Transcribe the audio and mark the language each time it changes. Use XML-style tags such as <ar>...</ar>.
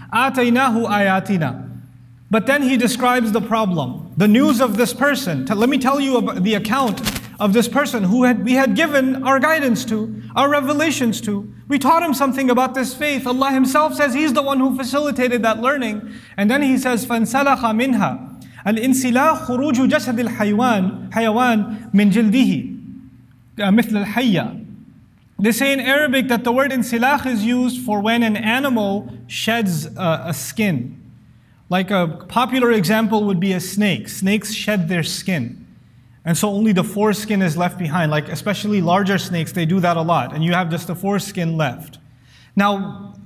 <ar>آتَيْنَاهُ آيَاتِنَا.</ar> <en>But then he describes the problem, the news of this person. Let me tell you about the account of this person who we had given our guidance to, our revelations to. We taught him something about this faith. Allah himself says he's the one who facilitated that learning. And then he says,</en> <ar>فَانْسَلَخَ مِنْهَا الْإِنْسِلَاخُ خُرُوجُ جَسَدِ الْحَيْوَانِ مِنْ جِلْدِهِ مِثْلَ الْحَيَّةِ.</ar> <en>They say in Arabic that the word insilakh is used for when an animal sheds a skin. Like a popular example would be a snake. Snakes shed their skin. And so only the foreskin is left behind. Like especially larger snakes, they do that a lot. And you have just the foreskin left. Now,</en>